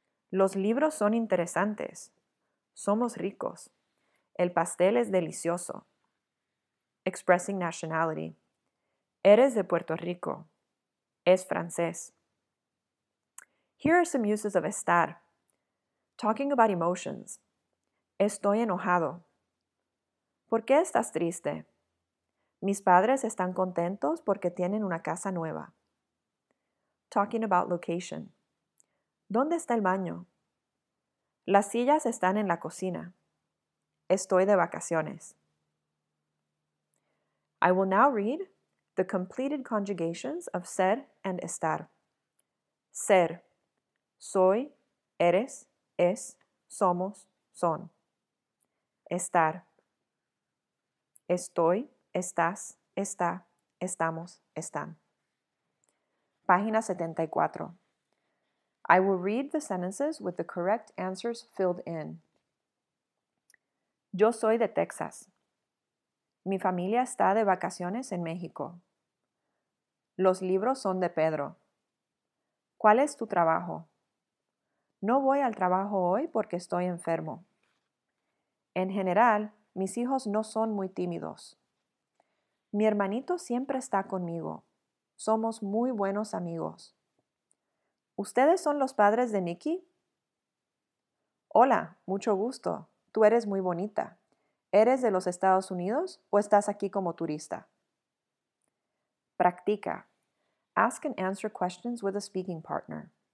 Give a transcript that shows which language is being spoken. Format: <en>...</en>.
<es>Los libros son interesantes. Somos ricos. El pastel es delicioso.</es> <en>Expressing nationality.</en> <es>Eres de Puerto Rico. Es francés.</es> <en>Here are some uses of estar. Talking about emotions.</en> <es>Estoy enojado. ¿Por qué estás triste? Mis padres están contentos porque tienen una casa nueva.</es> <en>Talking about location.</en> <es>¿Dónde está el baño? Las sillas están en la cocina. Estoy de vacaciones.</es> <en>I will now read the completed conjugations of ser and estar.</en> <es>Ser. Soy, eres, es, somos, son. Estar. Estoy, estás, está, estamos, están. Página 74.</es> <en>I will read the sentences with the correct answers filled in.</en> <es>Yo soy de Texas. Mi familia está de vacaciones en México. Los libros son de Pedro. ¿Cuál es tu trabajo? No voy al trabajo hoy porque estoy enfermo. En general, mis hijos no son muy tímidos. Mi hermanito siempre está conmigo. Somos muy buenos amigos. ¿Ustedes son los padres de Nikki? Hola, mucho gusto. Tú eres muy bonita. ¿Eres de los Estados Unidos o estás aquí como turista? Practica.</es> <en>Ask and answer questions with a speaking partner.</en>